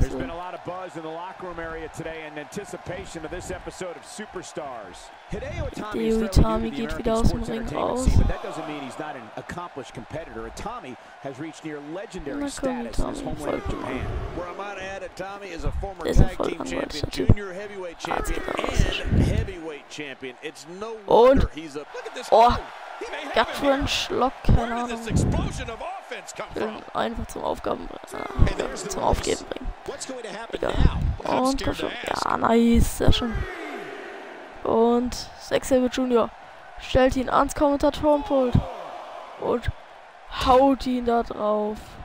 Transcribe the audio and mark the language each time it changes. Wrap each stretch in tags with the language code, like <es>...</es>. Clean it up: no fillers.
<en>There's been a lot of buzz in the locker room area today in anticipation of this episode of Superstars.</en> <de>Hideo Itami geht wieder aus dem Ring raus.</de> <en>But that doesn't mean he's not an accomplished competitor. Itami has reached near legendary status in homeland Japan. Where I might add, Itami is a former tag team champion, junior heavyweight champion and heavyweight champion. It's no wonder he's a. Oh. Gut Wrench Lock,</en> <de>keine Ahnung. Will ihn einfach zum Aufgaben zum Aufgeben bringen. Egal. Und Gut Wrench. Ja, nice, sehr schön. Und Zack Sabre Jr. stellt ihn ans Kommentatorenpult und haut ihn da drauf.</de>